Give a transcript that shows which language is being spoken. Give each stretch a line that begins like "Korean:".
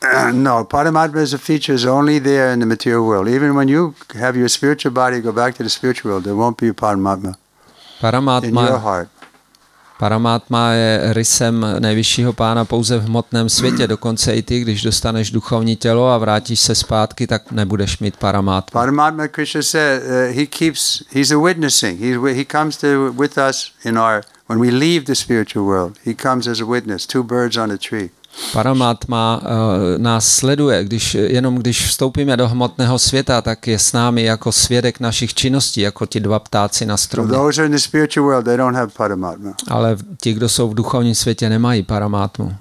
English: No, paramátma is a feature is only there in the material world. Even when you have your spiritual body go back to the spiritual world, there won't be a paramátma. Paramátma in your heart.
Czech: Paramátma je rysem nejvyššího pána pouze v hmotném světě. Dokonce i ty, když dostaneš duchovní tělo a vrátíš se zpátky, tak nebudeš mít paramátmu.
English: Paramátma, Krishna said, he's a witnessing. He comes to with us in our when we leave the spiritual world, he comes as a witness, two birds on a tree.
Czech: Paramatma nás sleduje, když vstoupíme do hmotného světa, tak je s námi jako svědek našich činností, jako ti dva ptáci na stromě.
English: Those are in the spiritual world, they don't have paramatma.
Czech: Ale ti, kdo jsou v duchovním světě, nemají paramatmu.